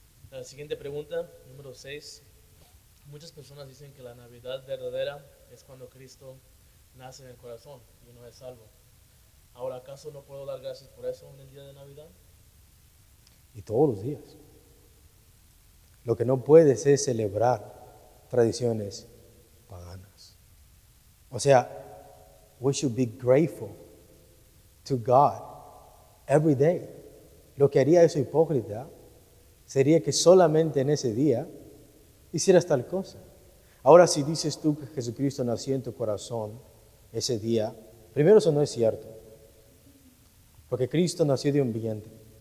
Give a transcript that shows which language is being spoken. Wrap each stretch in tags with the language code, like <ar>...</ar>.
<es>La siguiente pregunta, número 6. Muchas personas dicen que la Navidad verdadera es cuando Cristo nace en el corazón y uno es salvo. Ahora, ¿acaso no puedo dar gracias por eso en el día de Navidad? Y todos los días. Lo que no puedes es celebrar tradiciones paganas. O sea,</es> <en>we should be grateful to God every day.</en> <es>Lo que haría eso hipócrita sería que solamente en ese día hicieras tal cosa. Ahora, si dices tú que Jesucristo nació en tu corazón ese día, primero eso no es cierto, porque Cristo nació de un vientre.</es>